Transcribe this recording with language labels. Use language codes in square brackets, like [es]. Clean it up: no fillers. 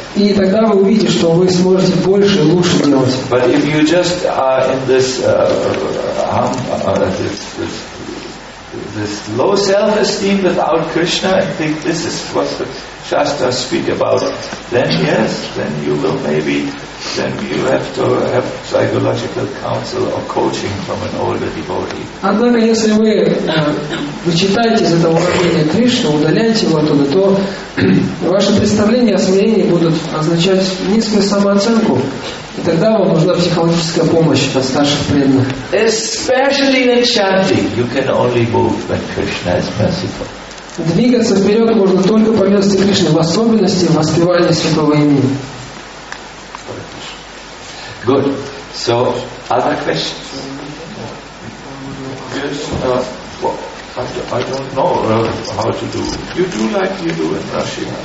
[ru] И тогда вы увидите, что вы сможете больше и лучше делать. [en] But if you just are in this this low self-esteem without Krishna, I think this is what the Shastras speak about, then yes, then you will maybe, then you have to have psychological counsel or coaching from an older devotee. [ru] Однако, если вы читаете из этого учения Кришну, удаляете его оттуда, то ваши представления о смирении будут означать низкую самооценку, и тогда вам нужна психологическая помощь от старших преданных. [en] Especially in chanting, you can only move when Krishna is merciful. [ru] Двигаться вперед можно только по милости Кришны, в особенности в воспевании святого имени. [en] Good. So, other questions? I don't know how to do. You do like you do in Russia.